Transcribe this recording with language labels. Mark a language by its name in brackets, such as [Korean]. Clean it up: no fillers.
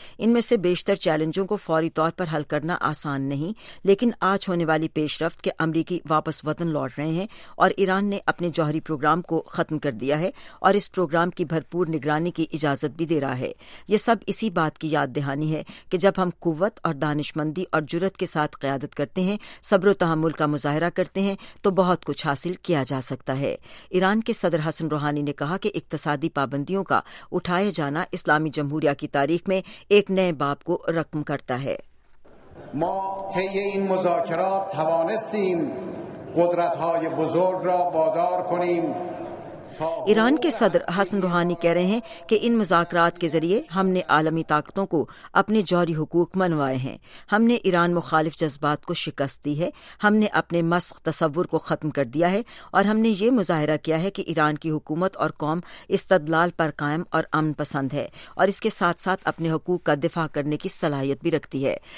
[Urdu] ان میں سے بیشتر چیلنجوں کو فوری طور پر حل کرنا آسان نہیں، لیکن آج ہونے والی پیش رفت کہ امریکی واپس وطن لوٹ رہے ہیں اور ایران نے اپنے جوہری پروگرام کو ختم کر دیا ہے اور اس پروگرام کی بھرپور نگرانی کی اجازت بھی دے رہا ہے، یہ سب اسی بات کی یاد دہانی ہے کہ جب ہم قوت اور دانش مندی اور جرات کے ساتھ قیادت کرتے ہیں، صبر و تحمل کا مظاہرہ کرتے ہیں تو بہت کچھ حاصل کیا جا سکتا ہے. ایران کے صدر حسن روحانی نے کہا کہ اقتصادی پابندیوں کا اٹھایا جانا اسلامی جمہوریہ کی تاریخ میں ایک نئے باب کو رقم کرتا ہے. [Persian] ما طی این مذاکرات توانستیم قدرت‌های بزرگ را وادار کنیم. [Urdu] ایران کے صدر حسن روحانی کہہ رہے ہیں کہ ان مذاکرات کے ذریعے ہم نے عالمی طاقتوں کو اپنے جوہری حقوق منوائے ہیں، ہم نے ایران مخالف جذبات کو شکست دی ہے، ہم نے اپنے مسخ تصور کو ختم کر دیا ہے اور ہم نے یہ مظاہرہ کیا ہے کہ ایران کی حکومت اور قوم استدلال پر قائم اور امن پسند ہے اور اس کے ساتھ ساتھ اپنے حقوق کا دفاع کرنے کی صلاحیت بھی رکھتی ہے.